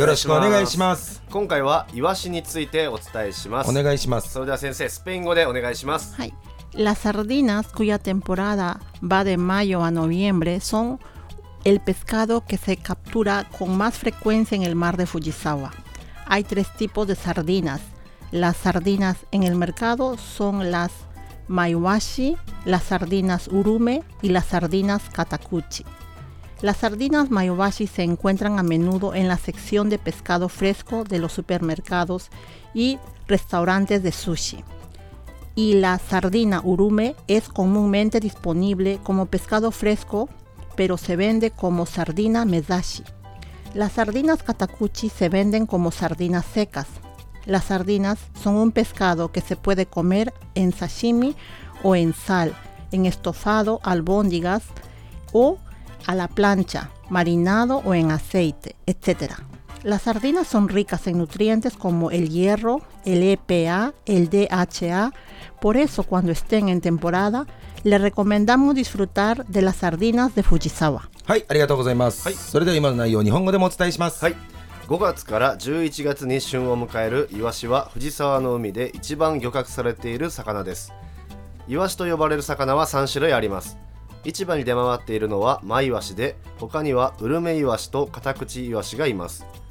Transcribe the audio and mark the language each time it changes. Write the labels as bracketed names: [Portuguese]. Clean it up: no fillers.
[Japanese] よろしくお願いします。今回はイワシについてお伝えします。お願いします。それでは先生、スペイン語でお願いします。 [Spanish] はい、ラサルディナスクヤテンポラダバデマヨアノビエンブレソンEl pescado que se captura con más frecuencia en el mar de Fujisawa. Hay tres tipos de sardinas. Las sardinas en el mercado son las maiwashi, las sardinas urume y las sardinas katakuchi. Las sardinas maiwashi se encuentran a menudo en la sección de pescado fresco de los supermercados y restaurantes de sushi. Y la sardina urume es comúnmente disponible como pescado fresco, pero se vende como sardina mezashi. Las sardinas katakuchi se venden como sardinas secas. Las sardinas son un pescado que se puede comer en sashimi o en sal, en estofado, albóndigas o a la plancha, marinado o en aceite, etc. Las sardinas son ricas en nutrientes como el hierro, el EPA, el DHA, por eso cuando estén en temporada,Le recomendamos disfrutar de las sardinas de Fujisawa. [Japanese] はい、ありがとうございます。はい、それでは今の内容を日本語でもお伝えします。はい、5月から11月に旬を迎えるイワシは藤沢の海で一番漁獲されている魚です。イワシと呼ばれる魚は3種類あります。市場に出回っているのはマイワシで、他にはウルメイワシとカタクチイワシがいます。